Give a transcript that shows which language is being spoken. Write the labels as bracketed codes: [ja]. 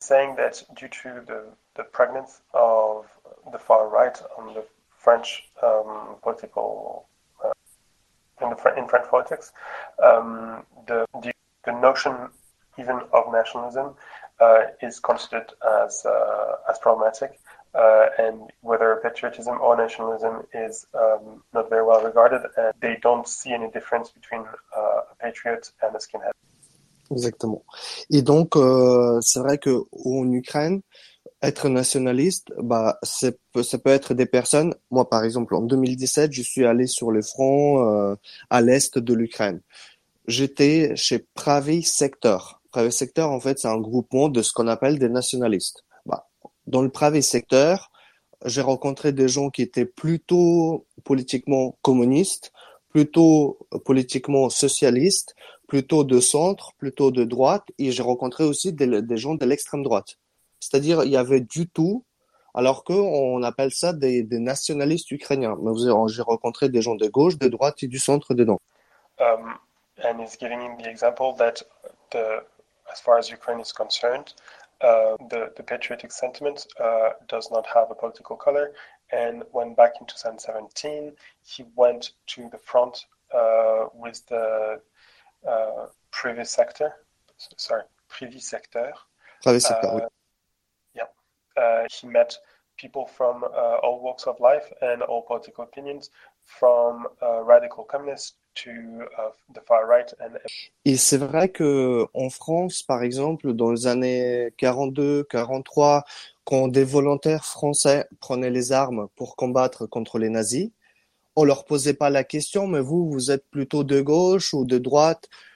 [en] saying that due to the pregnancy of the far right on the French political in French politics, the notion even of nationalism is considered as problematic, and whether patriotism or nationalism is not very well regarded, and they don't see any difference between a patriot and a skinhead. [fr] Exactement. Et donc, c'est vrai que en Ukraine, être nationaliste, bah, ça peut être des personnes. Moi, par exemple, en 2017, je suis allé sur le front à l'est de l'Ukraine. J'étais chez Pravi Sector. Pravi Sector, en fait, c'est un groupement de ce qu'on appelle des nationalistes. Bah, dans le Pravi Sector, j'ai rencontré des gens qui étaient plutôt politiquement communistes, plutôt politiquement socialistes, plutôt de centre, plutôt de droite, et j'ai rencontré aussi des gens de l'extrême droite. C'est-à-dire, il y avait du tout, alors qu'on appelle ça des nationalistes ukrainiens. J'ai rencontré des gens de gauche, de droite et du centre dedans. [en] And he's giving the example that as far as Ukraine is concerned, the patriotic sentiment does not have a political color. And when back in 2017, he went to the front with the Privy Sector, sorry, Privy Sector. Travail secteur, oui. He met people from all walks of life and all political opinions, from radical communists to the far right and [fr] Et c'est vrai que en France, par exemple, dans les années 42, 43, quand des volontaires français prenaient les armes pour combattre contre les nazis, on leur posait pas la question, mais vous êtes plutôt de gauche ou de droite?